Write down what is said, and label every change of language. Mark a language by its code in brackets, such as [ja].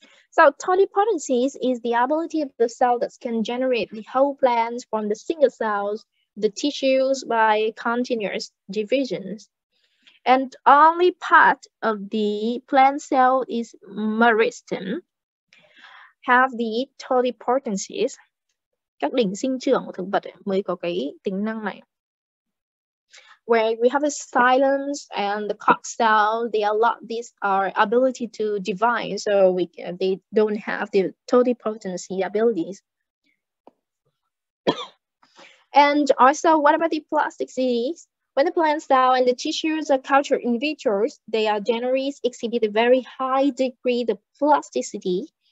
[en] So totipotency is the ability of the cell that can generate the whole plants from the single cells, the tissues by continuous divisions. And only part of the plant cell is meristem, have the totipotency. [vi] Các đỉnh sinh trưởng của thực vật ấy mới có cái tính năng này. [en] Where we have a xylem and the cock cell, they allow this our ability to divide, so we they don't have the totipotency abilities. And also, what about the plasticity? When the plant cell and the tissues are cultured in vitro, they are generally exhibit a very high degree of plasticity.